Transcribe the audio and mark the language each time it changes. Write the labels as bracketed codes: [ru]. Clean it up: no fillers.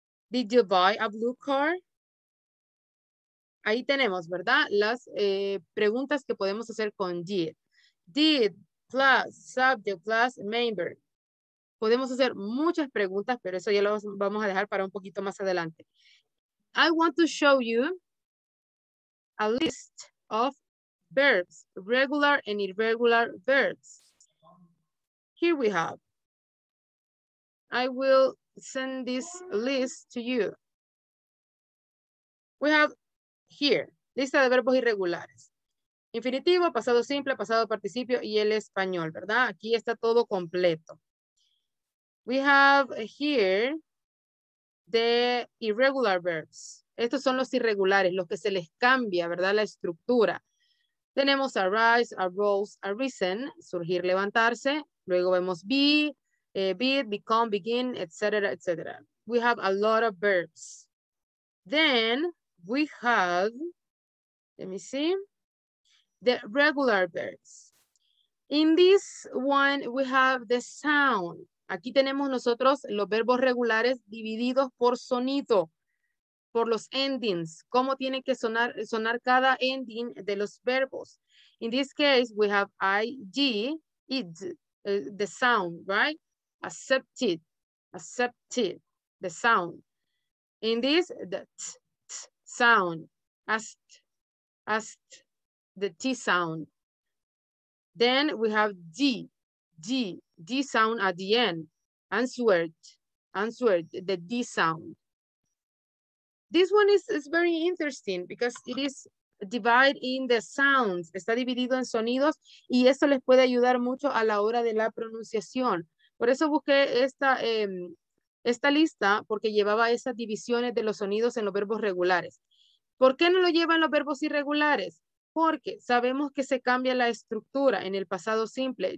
[en] Did you buy a blue car? [es] Ahí tenemos, ¿verdad? Las preguntas que podemos hacer con did. [en] Did plus subject plus main verb. [es] Podemos hacer muchas preguntas, pero eso ya lo vamos a dejar para un poquito más adelante. [en] I want to show you a list of verbs, regular and irregular verbs. Here we have. I will send this list to you. We have here, [es] lista de verbos irregulares. Infinitivo, pasado simple, pasado participio y el español, ¿verdad? Aquí está todo completo. [en] We have here the irregular verbs. [es] Estos son los irregulares, los que se les cambia, ¿verdad? La estructura. Tenemos arise, arose, arisen, surgir, levantarse. Luego vemos be, bid, become, begin, etc., etc. [en] We have a lot of verbs. Then we have, let me see, the regular verbs. In this one, we have the sound. [es] Aquí tenemos nosotros los verbos regulares divididos por sonido, por los endings. ¿Cómo tiene que sonar cada ending de los verbos? [en] In this case, we have ing, id, the sound, right? Accepted, accepted, the sound. In this, the t, t sound, asked, asked, the t sound. Then we have d, d. D sound at the end, answered, answered, the D sound. This one is very interesting because it is divided in the sounds. [es] Está dividido en sonidos y eso les puede ayudar mucho a la hora de la pronunciación. Por eso busqué esta lista porque llevaba esas divisiones de los sonidos en los verbos regulares. ¿Por qué no lo llevan los verbos irregulares? Porque sabemos que se cambia la estructura en el pasado simple.